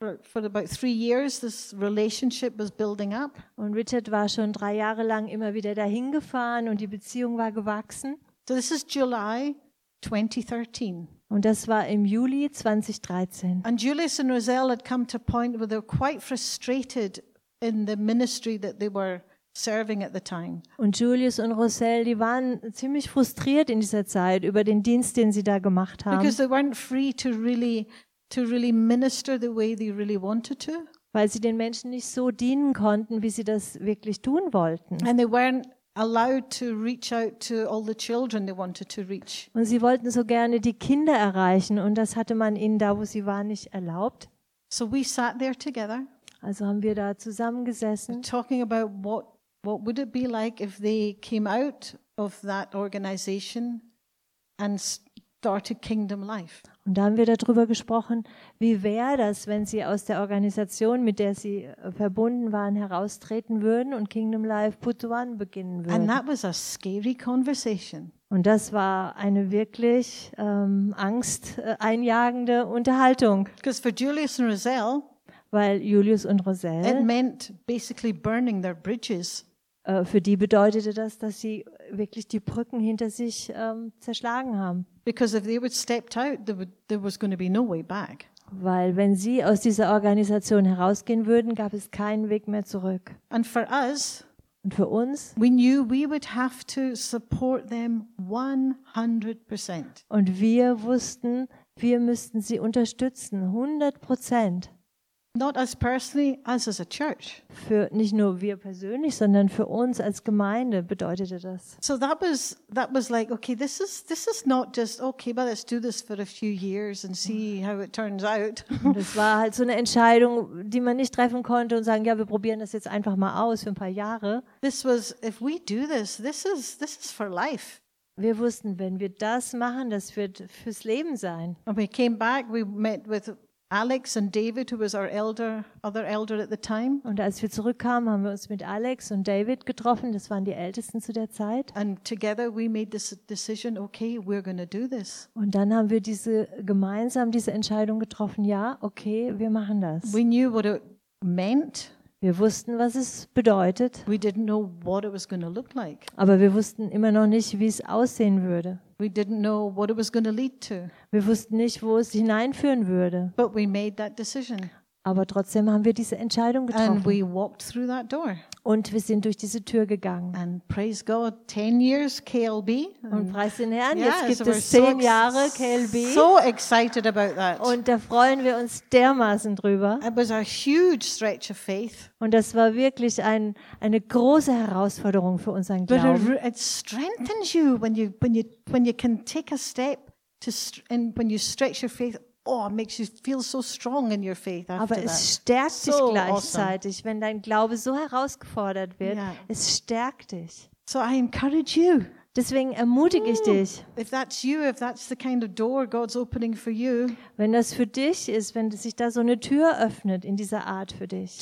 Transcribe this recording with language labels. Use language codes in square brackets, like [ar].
[en] For about 3 years, this relationship was building up. [de] Und Richard war schon 3 Jahre lang immer wieder dahin gefahren und die Beziehung war gewachsen. [en] So this is July 2013. [de] Und das war im Juli 2013. [en] And Julius and Roselle had come to a point where they were quite frustrated in the ministry that they were serving at the time. [de] Und Julius und Roselle, die waren ziemlich frustriert in dieser Zeit über den Dienst, den sie da gemacht haben. [en] Because they weren't free to really minister the way they really wanted to. [de] Weil sie den Menschen nicht so dienen konnten, wie sie das wirklich tun wollten. [en] And they weren't allowed to reach out to all the children they wanted to reach. [de] Und sie wollten so gerne die Kinder erreichen und das hatte man ihnen da, wo sie waren, nicht erlaubt. [en] So we sat there together. [de] Also haben wir da zusammengesessen. [en] Talking about what would it be like if they came out of that organization and started Kingdom Life. [de] Und da haben wir darüber gesprochen, wie wäre das, wenn sie aus der Organisation, mit der sie verbunden waren, heraustreten würden und Kingdom Life Butuan beginnen würden. [en] And that was a scary conversation. [de] Und das war eine wirklich angsteinjagende Unterhaltung. [en] Because for Julius and Roselle, [de] weil Julius und Roselle, [en] it meant basically burning their bridges. [de] Für die bedeutete das, dass sie wirklich die Brücken hinter sich zerschlagen haben. [en] Because if they would stepped out, there was going to be no way back. [de] Weil wenn sie aus dieser Organisation herausgehen würden, gab es keinen Weg mehr zurück. [en] And for us, [de] und für uns, [en] we knew we would have to support them 100%. [de] Und wir wussten, wir müssten sie unterstützen, 100%. [en] Not as personally, as a church. [de] Für nicht nur wir persönlich, sondern für uns als Gemeinde bedeutete das. [en] So that was like, okay, this is not just, okay, but let's do this for a few years and see how it turns out. [de] Das war halt so eine Entscheidung, die man nicht treffen konnte und sagen, ja, wir probieren das jetzt einfach mal aus für ein paar Jahre. [en] This was, if we do this, this is for life. [de] Wir wussten, wenn wir das machen, das wird fürs Leben sein. [en] And we came back, we met with Alex and David, who was our other elder at the time. [de] Und als wir zurückkamen, haben wir uns mit Alex und David getroffen. Das waren die Ältesten zu der Zeit. [en] And together we made this decision. Okay, we're going to do this. [de] Und dann haben wir diese Entscheidung getroffen. Ja, okay, wir machen das. [en] We knew what it meant. [de] Wir wussten, was es bedeutet. [en] We didn't know what it was going to look like. [de] Aber wir wussten immer noch nicht, wie es aussehen würde. [en] We didn't know what it was going to lead to. [de] Wir wussten nicht, wo es hineinführen würde. [en] But we made that decision. [de] Aber trotzdem haben wir diese Entscheidung getroffen. [en] And we walked through that door. [de] Und wir sind durch diese Tür gegangen. [en] And praise God, 10 years KLB. [de] Und preis den Herrn, yeah, jetzt gibt es 10 Jahre KLB. [en] So excited about that. [de] Und da freuen wir uns dermaßen drüber. [en] It was a huge stretch of faith. [de] Und das war wirklich eine große Herausforderung für unseren Glauben. [en] But it strengthens you when you can take a step and when you stretch your faith. Oh, it makes you feel so strong in your faith after [de] Aber es stärkt [en] that. [de] Dich so gleichzeitig, awesome. Wenn dein Glaube so herausgefordert wird. Yeah. Es stärkt dich. [en] So I encourage you. [de] Deswegen ermutige ich dich. [en] If that's you, if that's the kind of door God's opening for you. [de] Wenn das für dich ist, wenn sich da so eine Tür öffnet in dieser Art für dich.